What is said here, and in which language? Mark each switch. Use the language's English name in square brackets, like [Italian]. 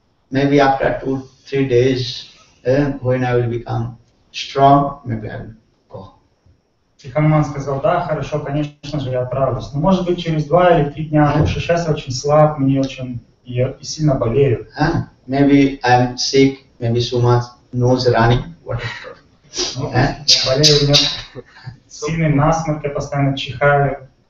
[English] Maybe after 2-3 days, when I will become strong, maybe I will. [Russian] И Хануман сказал: да, хорошо, конечно же, я отправлюсь. Но может быть через 2 или 3 дня, потому что сейчас я очень слаб, мне очень и сильно болею. [English] Maybe I'm sick, maybe Suma's nose running, whatever. [Russian] Я болею, у него сильный насморк, я постоянно чихаю.